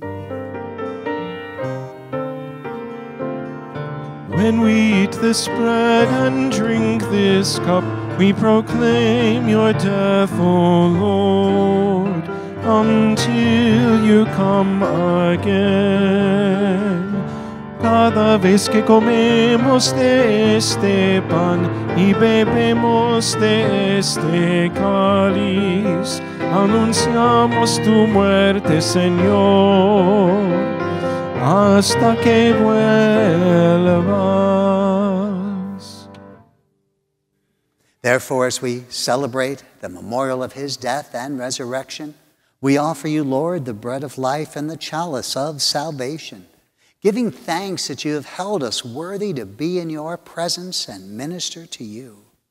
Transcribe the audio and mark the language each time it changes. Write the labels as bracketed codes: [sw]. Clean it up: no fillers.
[en] When we eat this bread and drink this cup, we proclaim your death, O Lord, until you come again. [es] Cada vez que comemos de este pan y bebemos de este cáliz, anunciamos tu muerte, Señor, hasta que vuelvas. [en] Therefore, as we celebrate the memorial of his death and resurrection, we offer you, Lord, the bread of life and the chalice of salvation, giving thanks that you have held us worthy to be in your presence and minister to you.